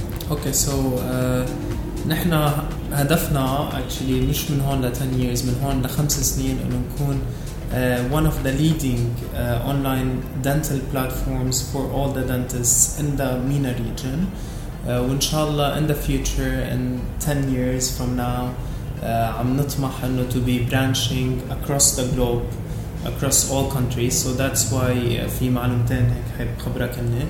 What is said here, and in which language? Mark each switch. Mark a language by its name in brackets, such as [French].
[Arabic] اوكي سو نحن هدفنا [English] actually [Arabic] مش من هون ل [English] 10 years, [Arabic] من هون ل 5 سنين انه نكون [English] one of the leading online dental platforms for all the dentists in the MENA region. Inshallah, in the future, in 10 years from now, I'm not mahanno to be branching across the globe, across all countries. So that's why [Arabic] في معلومتين هيك حاب خبرك إني.